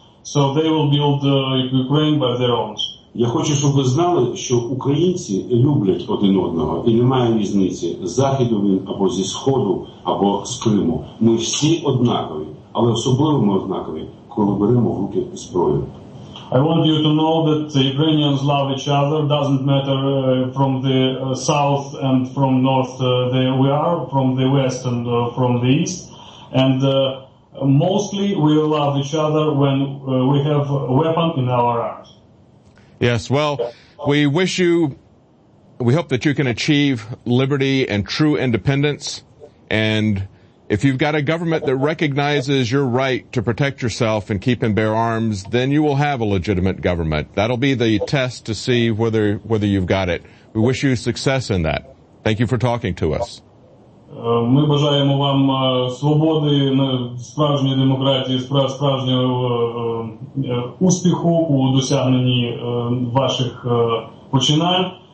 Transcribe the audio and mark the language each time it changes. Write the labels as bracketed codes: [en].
[en] So they will build Ukraine by their own. [uk] Я хочу, щоб ви знали, що українці люблять один одного, і немає різниці, з Заходу він, або зі Сходу, або з Криму. Ми всі однакові, але особливо ми однакові, коли беремо в руки зброю. [en] I want you to know that Ukrainians love each other, doesn't matter from the south and from north we are, from the west and from the east, and mostly we love each other when we have a weapon in our arms. Yes, well, we hope that you can achieve liberty and true independence. And if you've got a government that recognizes your right to protect yourself and keep and bear arms, then you will have a legitimate government. That'll be the test to see whether you've got it. We wish you success in that. Thank you for talking to us. [uk] Ми бажаємо вам свободи, справжньої демократії, справжнього успіху у досягненні ваших починань.